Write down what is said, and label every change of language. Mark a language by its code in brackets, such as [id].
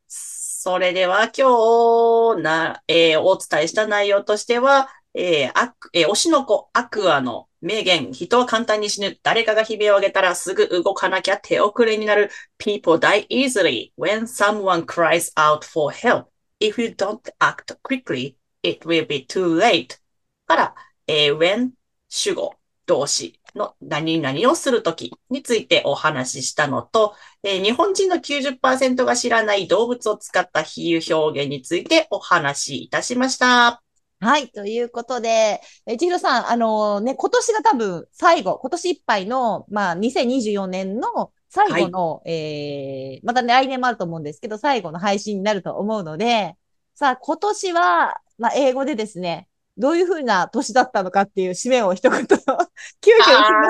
[ja] それでは今日な、お伝えした内容としては、推しの子、アクアの名言、人は簡単に死ぬ、誰かが悲鳴を上げたらすぐ動かなきゃ手遅れになる、 [en] People die easily when someone cries out for help. If you don't act quickly, it will be too late. [ja] から、when 主語、動詞。の何々をするときについてお話ししたのと、日本人の90%が知らない動物を使った比喩表現についてお話しいたしました。はい。ということで、千尋さん、ね、今年が多分最後、今年いっぱいの、まあ、2024年の最後の、またね、来年もあると思うんですけど、最後の配信になると思うので、さあ、今年は、まあ、英語でですね、どういうふうな年だったのかっていう締めを一言、急遽すいま